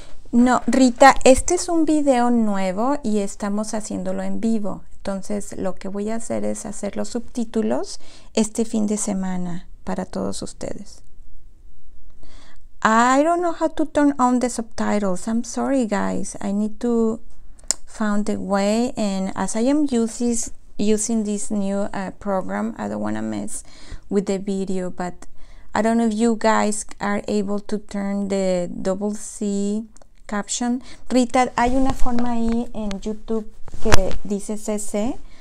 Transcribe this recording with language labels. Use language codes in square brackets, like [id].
[es] No, Rita, este es un video nuevo y estamos haciéndolo en vivo. Entonces, lo que voy a hacer es hacer los subtítulos este fin de semana para todos ustedes. [en] I don't know how to turn on the subtitles. I'm sorry, guys. I need to find a way. And as I am using this new program, I don't want to mess with the video, but I don't know if you guys are able to turn the double C caption. [es] Rita, hay una forma ahí en YouTube que dice CC.